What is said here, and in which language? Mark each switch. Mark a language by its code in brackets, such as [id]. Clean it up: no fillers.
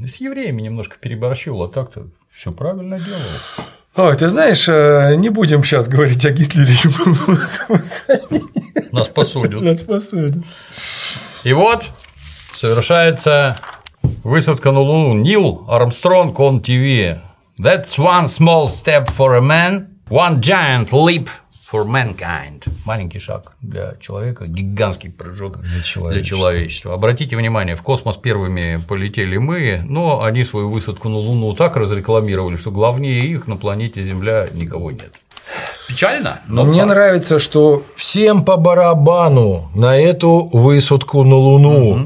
[ru] С евреями немножко переборщил, а так-то все правильно делал. Ой, ты знаешь, не будем сейчас говорить о Гитлере и Муссолини. Нас посудят. Нас посудят. И вот совершается высадка на Луну. Нил Армстронг [en] on TV. That's one small step for a man, one giant leap for mankind. [ru] Маленький шаг для человека, гигантский прыжок для человечества. Обратите внимание, в космос первыми полетели мы, но они свою высадку на Луну так разрекламировали, что главнее их на планете Земля никого нет. Печально, но мне нравится, что всем по барабану на эту высадку на Луну.